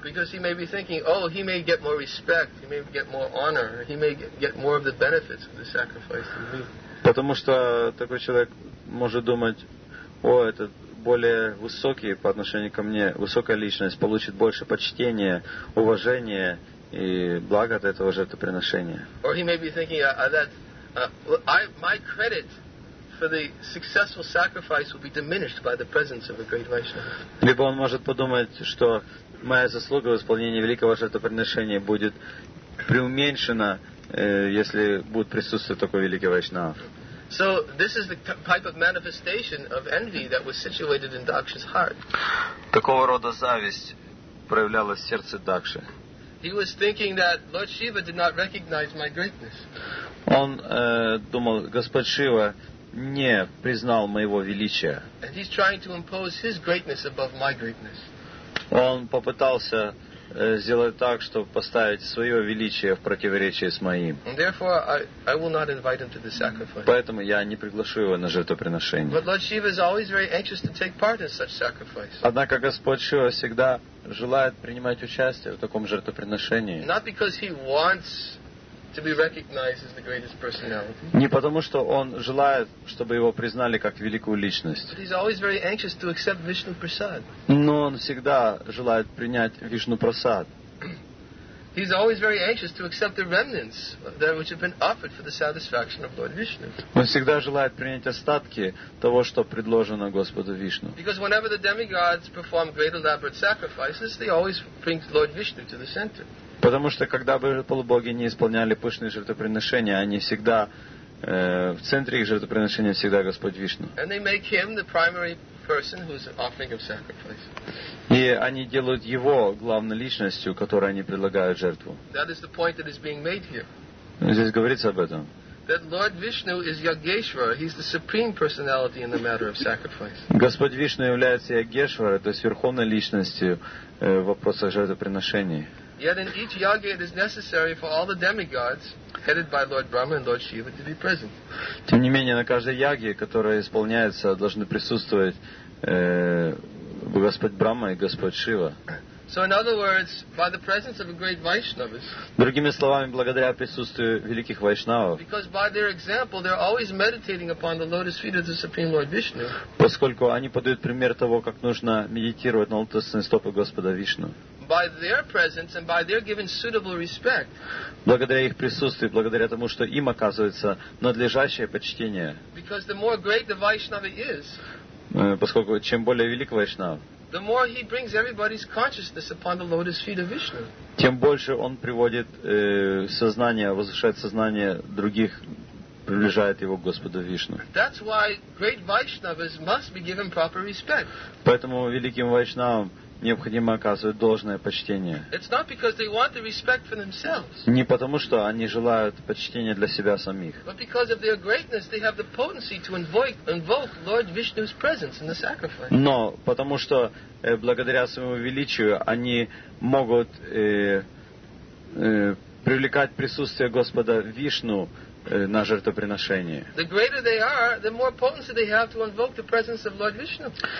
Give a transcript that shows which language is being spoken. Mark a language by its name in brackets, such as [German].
[English] Because he may be thinking, oh, he may get more respect, he may get more honor, he may get more of the benefits of the sacrifice than me. [Russian] Потому что такой человек может думать, о, этот более высокий по отношению ко мне, высокая личность, получит больше почтения, уважения и блага от этого жертвоприношения. [English] Or he may be thinking that my credit for the successful sacrifice will be diminished by the presence of a great Vaishnava. [Russian] Либо он может подумать, что моя заслуга в исполнении великого жертвоприношения будет преуменьшена, если будет присутствовать такой великий Вайшнав. [English] So this is the type of manifestation of envy that was situated in Daksha's heart. [Russian] Такого рода зависть проявлялась в сердце Дакши. [English] He was thinking that Lord Shiva did not recognize my greatness. [Russian] Он думал, Господь Шива не признал моего величия. [English] And he's trying to impose his greatness above my greatness. [Russian] Он попытался сделать так, чтобы поставить свое величие в противоречие с моим. [English] I will not invite him to the sacrifice. [Russian] Поэтому я не приглашу его на жертвоприношение. [English] But Lord Shiva is always very anxious to take part in such sacrifice. [Russian] Однако Господь Шива всегда желает принимать участие в таком жертвоприношении. [English] Not because he wants to be recognized as the greatest personality. [Russian] Не потому, что он желает, чтобы его признали как великую личность. [English] But he's always very anxious to accept Vishnu Prasad. [Russian] Но он всегда желает принять Вишну Прасад. [English] He's always very anxious to accept the remnants that which have been offered for the satisfaction of Lord Vishnu. [Russian] Он всегда желает принять остатки того, что предложено Господу Вишну. [English] Because whenever the demigods perform great elaborate sacrifices, they always bring Lord Vishnu to the center. [Russian] Потому что когда бы полубоги не исполняли пышные жертвоприношения, они всегда в центре их жертвоприношения всегда Господь Вишну. [English] And they make him the primary person who is offering of sacrifice. [Russian] И они делают его главной личностью, которой они предлагают жертву. [English] That is the point that is being made here. [Russian] Здесь говорится об этом. [English] That Lord Vishnu is Yageshwara. He's the supreme personality in the matter of sacrifice. [Russian] Господь Вишну является Ягешвара, то есть верховной личностью в вопросах жертвоприношений. [English] Yet in each yagya it is necessary for all the demigods headed by Lord Brahma and Lord Shiva to be present. [Russian] Тем не менее, на каждой яге, которая исполняется, должны присутствовать Господь Брахма и Господь Шива. [English] So in other words, by the presence of a great Vaishnavas. [Russian] Другими словами, благодаря присутствию великих вайшнавов. [English] Because by their example, they're always meditating upon the lotus feet of the supreme Lord Vishnu. [Russian] Поскольку они подают пример того, как нужно медитировать на лотосные стопы Господа Вишну. [English] By their presence and by their given suitable respect. [Russian] Благодаря их присутствию, благодаря тому, что им оказывается надлежащее почтение. [English] Because the more great the Vaishnava is. [Russian] Поскольку чем более велик вайшнав. [English] The more he brings everybody's consciousness upon the lotus feet of Vishnu. [Russian] Тем больше он приводит сознание, возвышает сознание других, приближает его к Господу Вишну. [English] That's why great Vaishnavas must be given proper respect. [Russian] Поэтому великим вайшнавам необходимо оказывать должное почтение. [English] It's not because they want the respect for themselves. [Russian] Не потому, что они желают почтения для себя самих. [English] But because of their greatness, they have the potency to invoke Lord Vishnu's presence in the sacrifice. [Russian] Но потому, что благодаря своему величию они могут привлекать присутствие Господа Вишну на жертвоприношение. [English] The greater they are, the more potency they have to invoke the presence of Lord Vishnu.